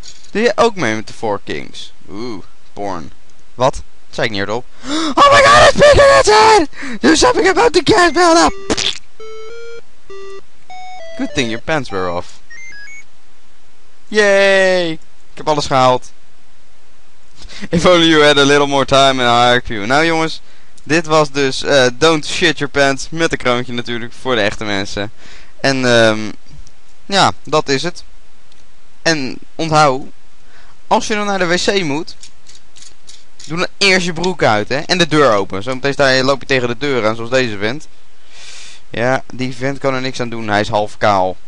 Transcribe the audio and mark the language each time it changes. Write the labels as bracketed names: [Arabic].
[Dutch] Doe jij ook mee met de Four Kings? Oeh, porn. Wat? Dat zei ik niet hierop. [English] Oh my god, it's bigger than that! Do something about the gas buildup! Good thing your pants were off. Yay! [Dutch] Ik heb alles gehaald. [English] If only you had a little more time in IRQ. [Dutch] Nou jongens, dit was dus Don't Shit Your Pants. Met een kroontje natuurlijk, voor de echte mensen. En ja, dat is het. En onthoud, als je dan naar de wc moet, doe dan eerst je broek uit, hè. En de deur open. Zo meteen daar loop je tegen de deur aan, zoals deze vent. Ja, die vent kan er niks aan doen. Hij is half kaal.